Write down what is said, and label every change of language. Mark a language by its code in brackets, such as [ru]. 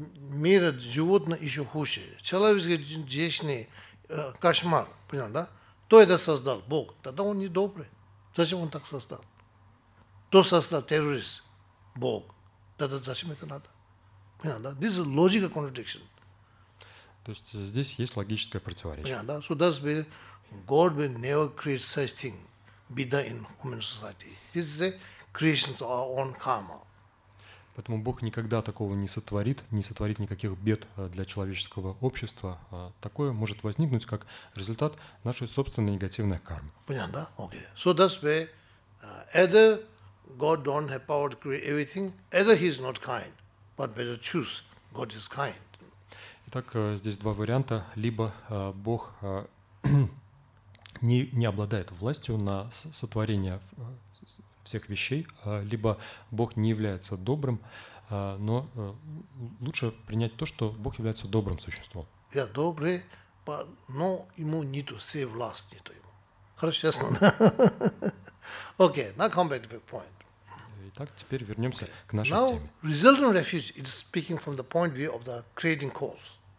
[ru] Мир животных еще хуже. Человеческий вечный кошмар, понял, да? Кто это создал? Бог. Тогда он недобрый. Зачем он так создал? то создал террорист, Бог. Тогда зачем это надо? Понятно, да? [en] This is logical contradiction. [ru] То есть здесь есть логическое противоречие. Понятно, да? [en] So that's why God will never create such thing, be that in human society. This is a creation of our own karma. [ru] Поэтому Бог никогда такого не сотворит, не сотворит никаких бед для человеческого общества. Такое может возникнуть как результат нашей собственной негативной кармы. Понятно, да? Okay. [en] So that's why either God don't have power to create everything, either he's not kind, but better choose God is kind. [ru] Итак, здесь два варианта. Либо Бог не обладает властью на сотворение всех вещей, либо Бог не является добрым, но лучше принять то, что Бог является добрым существом. Я добрый, но ему нету все власть, нету ему. Хорошо, ясно? [en] Окей, now come back to the point. [ru] Итак, теперь вернемся к нашей [en] now, [ru] теме. [en] Now, resultant refuge is speaking from the point of view of the creating cause.